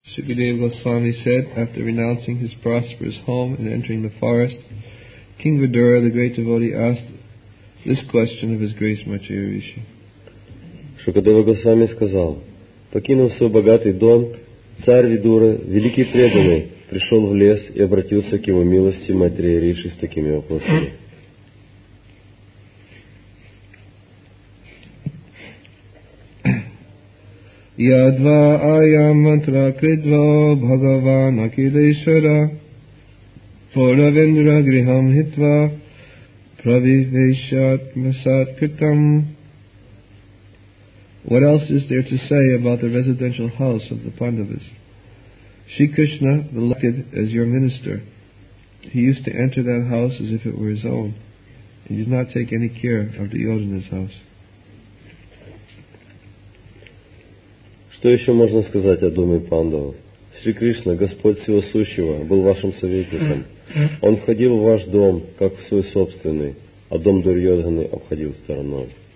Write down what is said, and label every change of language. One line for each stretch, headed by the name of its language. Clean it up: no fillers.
English: Sukadeva Goswami said, after renouncing his prosperous home and entering the forest, King Vidura, the great devotee, asked this question of His Grace Матери Риши.
Russian: Шукадева Госвами сказал, покинув свой богатый дом, царь Видура, великий преданный, пришел в лес и обратился к его милости Матери Риши с такими вопросами.
Sanskrit: Ядва аям мантра кридва бхагавана кидешвара пуравендра грихам хитва правивешатма саткритам.
English: What else is there to say about the residential house of the Pandavas? Shri Krishna, elected as your minister, he used to enter that house as if it were his own. He did not take any care of Duryodhana's house.
Russian: Что еще можно сказать о доме Пандавов? Шри Кришна, Господь Всего Сущего, был вашим советником. Он входил в ваш дом, как в свой собственный, а дом Дурьодханы обходил стороной.